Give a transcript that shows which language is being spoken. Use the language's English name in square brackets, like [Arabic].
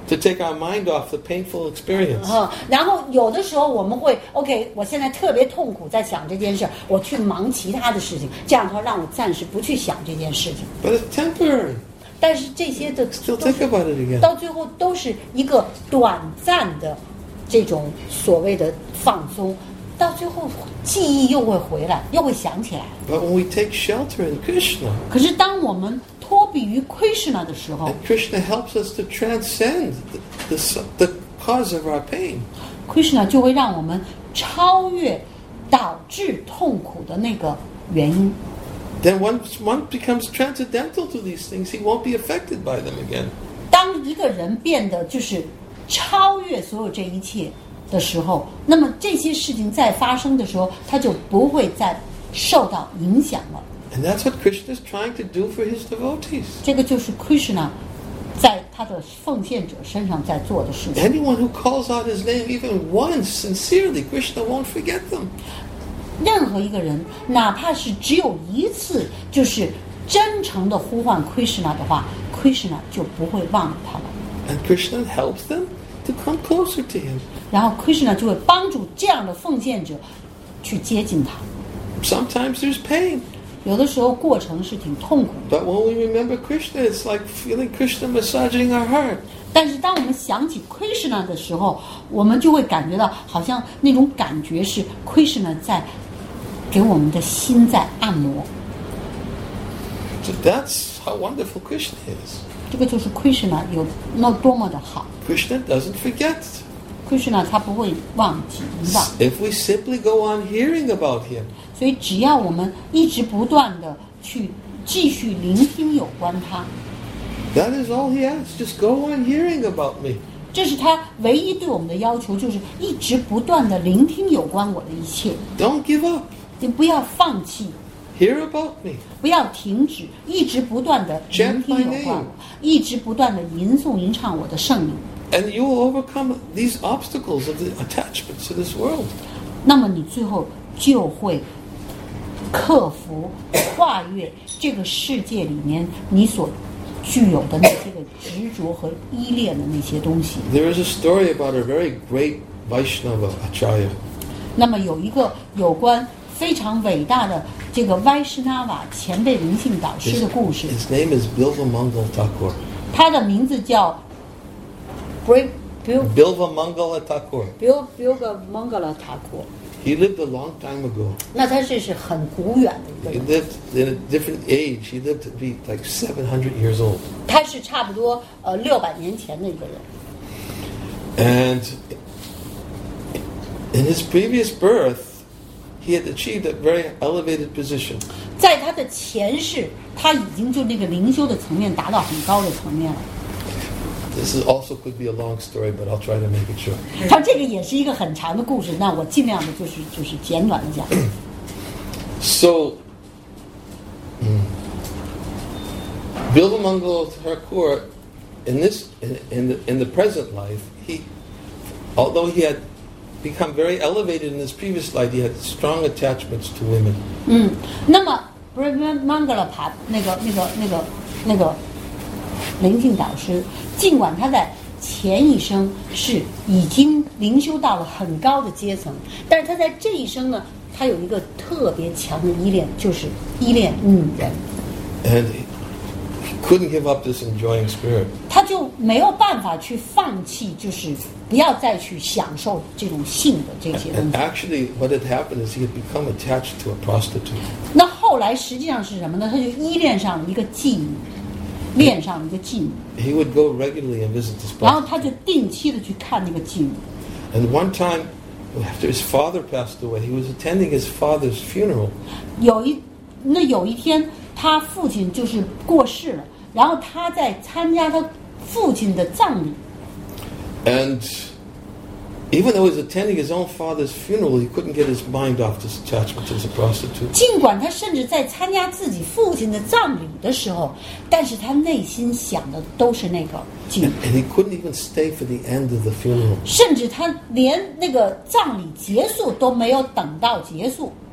[English] To take our mind off the painful experience. [Chinese] 然后有的时候我们会 OK, 我现在特别痛苦在想这件事，我去忙其他的事情，这样的话让我暂时不去想这件事情。 [English] But it's temporary. [Chinese] 但是这些的 [English] Still think about it again. [Chinese] 到最后都是一个短暂的这种所谓的放松，到最后记忆又会回来，又会想起来。 [English] But when we take shelter in Krishna. [Chinese] 可是当我们脱避于 Krishna 的时候， [English] and Krishna helps us to transcend the cause of our pain. [Chinese] Krishna 就会让我们超越导致痛苦的那个原因。 [English] Then one becomes transcendental to these things, he won't be affected by them again. [Chinese] 当一个人变得就是超越所有这一切的时候，那么这些事情再发生的时候，他就不会再受到影响了。 [English] And that's what Krishna is trying to do for his devotees. [Chinese] 这个就是 Krishna 在他的奉献者身上在做的事情。 [English] Anyone who calls out his name even once sincerely, Krishna won't forget them. [Chinese] 任何一个人，哪怕是只有一次，就是真诚的呼唤 Krishna 的话， Krishna 就不会忘了他了。 [English] And Krishna helps them to come closer to him. [Chinese] 然后 Krishna 就会帮助这样的奉献者去接近他。 [English] Sometimes there's pain. [Chinese] 有的时候过程是挺痛苦的。 [English] But when we remember Krishna, it's like feeling Krishna massaging our heart. [Chinese] 但是当我们想起 Krishna 的时候，我们就会感觉到好像那种感觉是 Krishna 在给我们的心在按摩。 [English] So that's how wonderful Krishna is. [Chinese] 这个就是 Krishna 有那多么的好。 [English] Krishna doesn't forget. [Chinese] Krishna 他不会忘记。 [English] If we simply go on hearing about him. [Chinese] 所以只要我们一直不断地去继续聆听有关他 [English] That is all he asks, just go on hearing about me. [Chinese] 这是他唯一对我们的要求，就是一直不断地聆听有关我的一切。 [English] Don't give up. [Chinese] 你不要放弃。 [English] Hear about me. [Chinese] 不要停止，一直不断地聆听有关我，一直不断地吟诵吟唱我的圣名。 [English] And you will overcome these obstacles of the attachments to this world. [Chinese] 那么你最后就会克服跨越这个世界里面你所具有的那些执着和依恋的那些东西。 [English] There is a story about a very great Vaishnava Acharya. [Chinese] 那么有一个有关非常伟大的这个 Vaishnava 前辈灵性导师的故事。 [English] His name is Bilva Mangal Thakur. [Chinese] 他的名字叫 [English] Bilva Mangala Thakur. [Chinese] Bilva Mangala Thakur. [English] He lived a long time ago. [Chinese] 那他这是很古远的一个。 [English] He lived in a different age. He lived to be like 700 years old. [Chinese] 他是差不多600年前的一个人。 [English] And in his previous birth, he had achieved a very elevated position. [Chinese] 在他的前世，他已经就那个灵修的层面达到很高的层面了。 [English] This is also could be a long story, but I'll try to make it short. [Chinese] 他这个也是一个很长的故事，那我尽量的就是简短的讲。 [English] So, Bilva Mangal Thakur, in the present life, although he had become very elevated in his previous life, he had strong attachments to women. [Chinese] 那么 Bilva Mangal Thakur 那个灵性导师。尽管他在前一生是已经灵修到了很高的阶层，但是他在这一生呢，他有一个特别强的依恋，就是依恋女人。 [English] And he couldn't give up this enjoying spirit. [Chinese] 他就没有办法去放弃，就是不要再去享受这种性的这些东西。 [English] Actually, what had happened is he had become attached to a prostitute. [Chinese] 那后来实际上是什么呢？他就依恋上一个妓女。恋上一个妓女。 [English] He would go regularly and visit this place. [Chinese] 然后他就定期的去看那个妓女。 [English] And one time, after his father passed away, he was attending his father's funeral. [Chinese] 有一天，他父亲就是过世了，然后他在参加他父亲的葬礼。 [English] And even though he was attending his own father's funeral, he couldn't get his mind off this attachment to the prostitute. [Chinese] 尽管他甚至在参加自己父亲的葬礼的时候，但是他内心想的都是那个妓女。 [English] And he couldn't even stay for the end of the funeral. [Chinese] 甚至他连那个葬礼结束都没有等到结束。